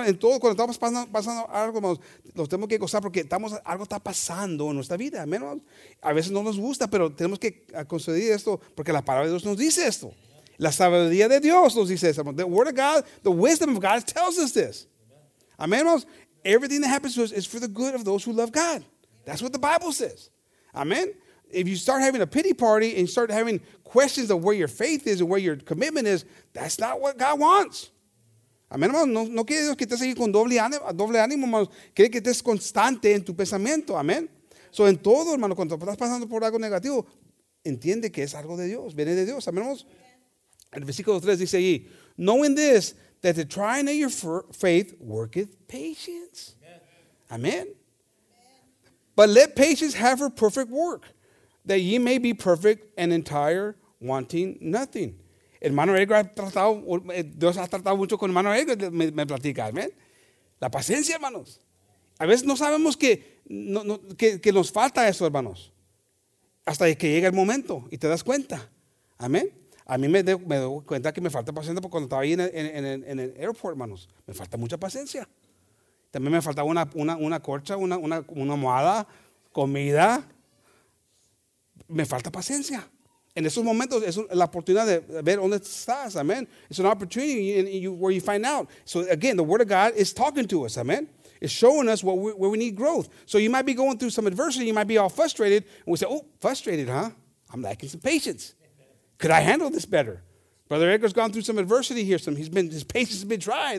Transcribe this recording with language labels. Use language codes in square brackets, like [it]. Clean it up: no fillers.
[es] En todo, cuando estamos pasando algo, hermanos, los tenemos que gozar porque algo está pasando en nuestra vida. Amén, hermanos. A veces no nos gusta, pero tenemos que conceder esto porque la palabra de Dios nos dice esto. La sabiduría de Dios nos dice esto. [en] The word of God, the wisdom of God tells us this. Amén, hermanos. Everything that happens to us is for the good of those who love God. That's what the Bible says. Amen. If you start having a pity party and start having questions of where your faith is and where your commitment is, that's not what God wants. [es] Amén, hermanos. No quiere Dios que estés ahí con doble ánimo, hermanos. Quiere que estés constante en tu pensamiento. Amén. So, en todo, hermano, cuando estás pasando por algo negativo, entiende que es algo de Dios. Viene de Dios. Amén, hermanos. En el versículo 3 dice ahí, [en] knowing this, that the trying of your faith worketh patience. [es] Amén. [en] But let patience have her perfect work, that ye may be perfect and entire, wanting nothing. [es] Hermano Edgar, Dios ha tratado mucho con hermano Edgar, me platica, amén. La paciencia, hermanos. A veces no sabemos que nos falta eso, hermanos. Hasta que llega el momento y te das cuenta. Amén. A mí me doy cuenta que me falta paciencia porque cuando estaba ahí en el aeropuerto, hermanos, me falta mucha paciencia. También me faltaba una corcha, una almohada, comida. Me falta paciencia. En esos momentos es la oportunidad de ver dónde estás. [en] Amen. It's an opportunity where you find out. So again, the word of God is talking to us. Amen. It's showing us where we need growth. So you might be going through some adversity. You might be all frustrated. And we say, oh, frustrated, huh? I'm lacking some patience. Could I handle this better? Brother Edgar's gone through some adversity here. His patience has been tried.